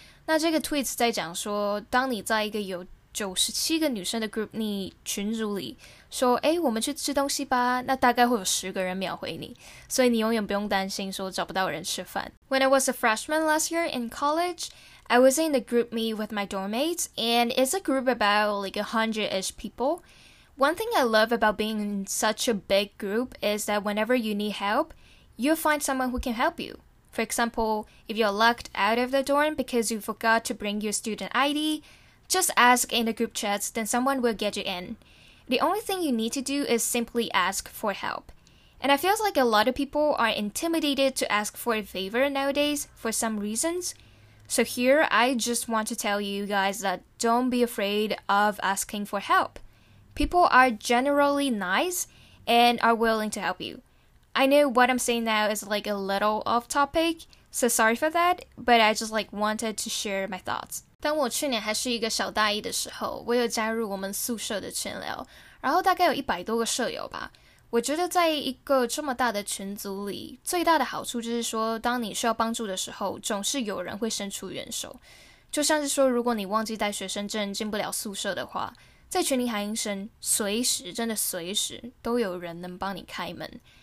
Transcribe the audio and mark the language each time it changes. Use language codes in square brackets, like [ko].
[zh] 那这个 tweet 在讲说，当你在一个有97个女生的 group me 群组里说，诶，我们去吃东西吧，那大概会有10个人秒回你，所以你永远不用担心说找不到人吃饭。 [en] When I was a freshman last year in college, I was in the group me with my dormmates, and it's a group about like 100-ish peopleOne thing I love about being in such a big group is that whenever you need help, you'll find someone who can help you. For example, if you're locked out of the dorm because you forgot to bring your student ID, just ask in the group chats, then someone will get you in. The only thing you need to do is simply ask for help. And I feel like a lot of people are intimidated to ask for a favor nowadays for some reasons. So here, I just want to tell you guys that don't be afraid of asking for help. People are generally nice and are willing to help you. I know what I'm saying now is like a little off topic, so sorry for that, but I just like wanted to share my thoughts. [zh] 当我去年还是一个小大一的时候，我有加入我们宿舍的群聊，然后大概有100多个舍友吧。我觉得在一个这么大的群组里，最大的好处就是说，当你需要帮助的时候，总是有人会伸出援手。就像是说，如果你忘记带学生证进不了宿舍的话，在群里喊一声，随时，真的随时，都有人能帮你开门。